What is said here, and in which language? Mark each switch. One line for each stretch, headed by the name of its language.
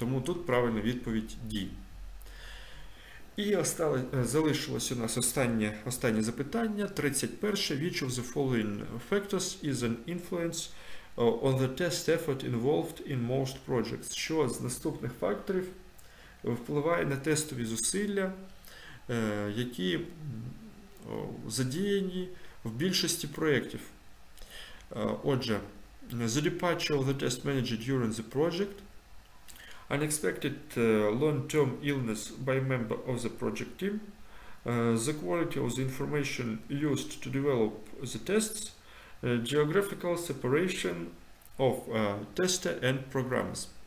Ukrainian: Тому тут правильна відповідь D. І залишилось у нас останнє запитання. 31.
English: Which of the following factors is an influence on the test effort involved in most projects?
Ukrainian: Що з наступних факторів впливає на тестові зусилля, які задіяні в більшості проєктів?
English: Отже, the departure of the test manager during the project, unexpected long-term illness by member of the project team, the quality of the information used to develop the tests, geographical separation of tester and programmers.